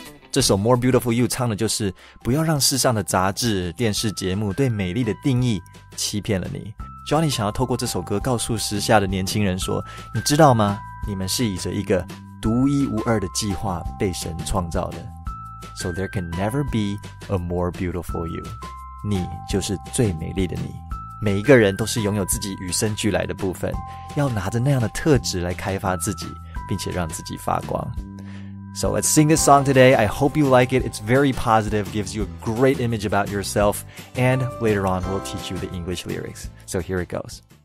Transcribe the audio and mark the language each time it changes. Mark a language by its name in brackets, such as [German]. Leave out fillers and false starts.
[Chinese] 这首 More Beautiful You 唱的就是不要让世上的杂志、电视节目对美丽的定义欺骗了你。 Jonny 想要透过这首歌告诉时下的年轻人说，你知道吗？你们是以着一个独一无二的计划被神创造的。 [English] So there can never be a more beautiful you. [Chinese] 你就是最美丽的你。每一个人都是拥有自己与生俱来的部分，要拿着那样的特质来开发自己，并且让自己发光。 [English] So let's sing this song today. I hope you like it. It's very positive, gives you a great image about yourself. And later on, we'll teach you the English lyrics. So here it goes.